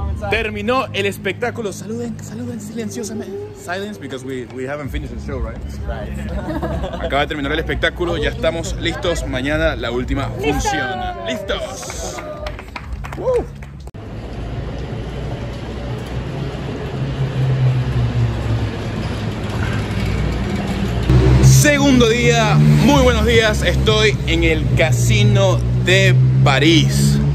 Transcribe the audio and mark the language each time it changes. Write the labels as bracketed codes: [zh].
[es] Terminó el espectáculo. Saluden, saluden silenciosamente. [en] Silence, because we haven't finished the show, right? [es] Acaba de terminar el espectáculo, ya estamos listos. Mañana la última función. ¡Listos! Segundo día, muy buenos días. Estoy en el Casino de París.